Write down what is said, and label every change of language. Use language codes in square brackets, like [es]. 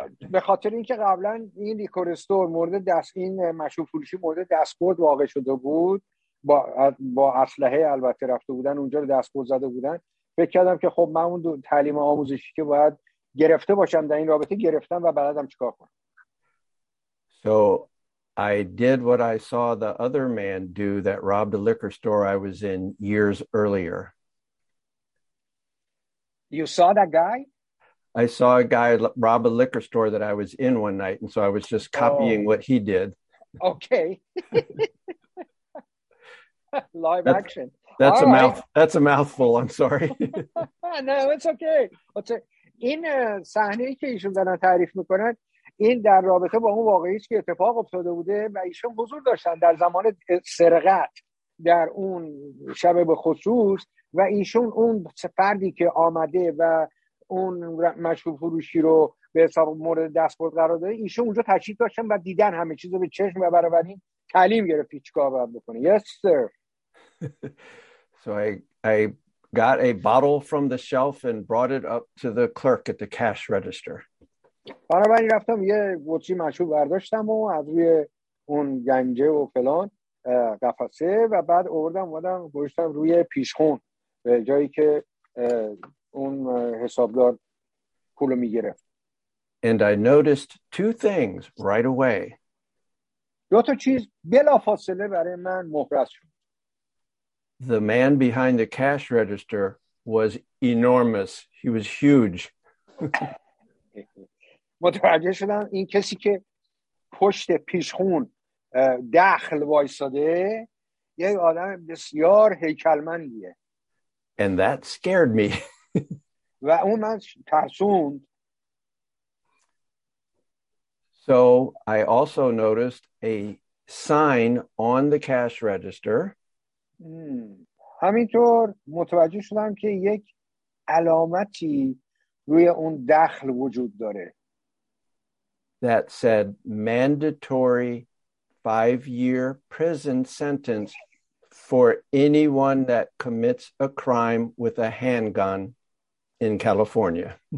[fa] به خاطر اینکه قبلا این لیکور استور مورد دست این مشروب فروشی مورد دستبرد واقع شده بود با اسلحه البته رفته بودن اونجا رو دستبرد زده بودن فکر کردم که خب من اون تعلیم آموزشی که باید گرفته باشم در این رابطه گرفتم و بلدم چیکار کنم. [en] So I did what I saw the other man do that robbed a liquor store I was in years earlier. You saw that guy? I saw a guy rob a liquor store that I was in one night, and so I was just copying what he did. Okay. Live that's, action. That's All a right. mouth. That's a mouthful. I'm sorry. No, it's okay. [fa] این صحنه‌ای که ایشون دارن تعریف میکنن این در رابطه با اون واقعی که اتفاق افتاده بوده و ایشون حضور داشتن در زمان سرقت در اون شب به خصوص و ایشون اون فردی که آمده و اون مشروب فروشی رو به حساب مورد دستبرد قرار داده ایشون اونجا تشریف داشتن و دیدن همه چیز رو به چشم و برابری تعلیم گرفت چیکار باید بکنه. [en] Yes sir. So I got a bottle from the shelf and brought it up to the clerk at the cash register. [fa] بنابراین رفتم یه بطری مشروب برداشتم و از روی اون گنجه و فلان قفسه و بعد آوردم اومدم گذاشتم روی پیشخون به جایی که اون حسابدار پولو میگیره. [en] And I noticed two things right away. [fa] دو تا چیز بلافاصله برای من مهرس شد. [en] The man behind the cash register was enormous. He was huge. [fa] متوجه شدم این کسی که پشت پیشخون دخل وایساده یک آدم بسیار هیکلمندیه. [en] And that scared me. [fa] و اون من ترسوند. [en] So I also noticed a sign on the cash register. [fa] همینطور متوجه شدم که یک علامتی روی اون دخل وجود داره [en] that said mandatory 5-year prison sentence for anyone that commits a crime with a handgun in California.